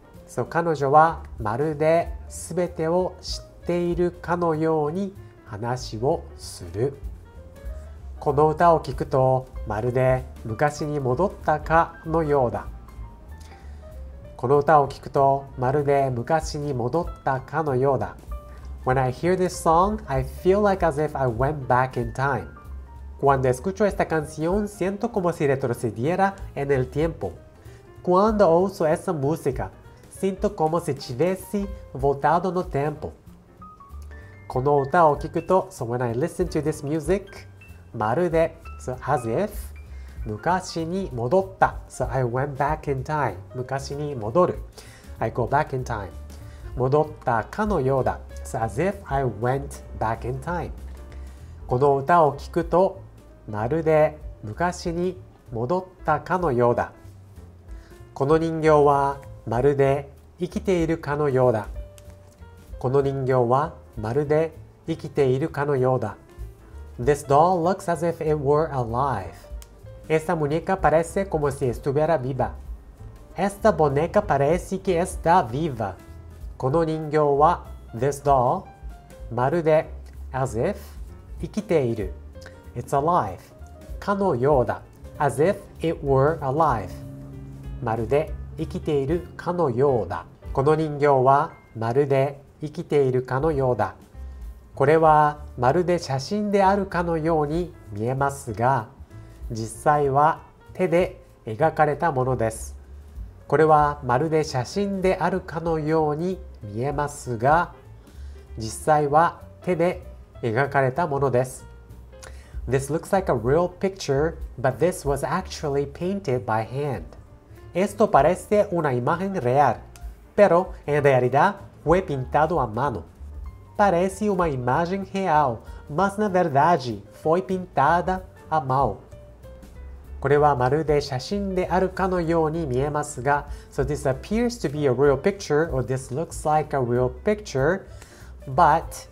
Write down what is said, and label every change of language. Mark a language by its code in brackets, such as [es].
[ja] そう彼女はまるで全てを知っているかのように話をするこの歌を聴くとまるで昔に戻ったかのようだこの歌を聴くとまるで昔に戻ったかのようだ [en] When I hear this song, I feel like as if I went back in time [es] Cuando escucho esta canción, siento como si retrocediera en el tiempo. Cuando oigo esa música, siento como si hubiese voltado en el tiempo. [ja] この歌を聞くと、 [en] So when I listen to this music, [ja] まるで、 [en] So as if, [ja] 昔に戻った。 [en] So I went back in time. [ja] 昔に戻る。 [en] I go back in time. [ja] 戻ったかのようだ。 [en] So as if I went back in time. [ja] この歌を聴くと、まるで昔に戻ったかのようだ。この人形はまるで生きているかのようだ。この人形はまるで生きているかのようだ。 [en] This doll looks as if it were alive. [es] Esta muñeca parece como si estuviera viva. [pt] Esta boneca parece que está viva. [ja] この人形は [en] This doll [ja] まるで [en] As if [ja] 生きている [en] It's alive [ja] かのようだ [en] As if it were alive [ja] まるで生きているかのようだこの人形はまるで生きているかのようだこれはまるで写真であるかのように見えますが実際は手で描かれたものですこれはまるで写真であるかのように見えますが実際は手で描かれたものです [en] This looks like a real picture, but this was actually painted by hand. [es] Esto parece una imagen real, pero en realidad fue pintado a mano. [pt] Parece uma imagem real, mas na verdade foi pintada a mão. [ja] これはまるで写真であるかのように見えますが、 [en] So this appears to be a real picture, or this looks like a real picture, but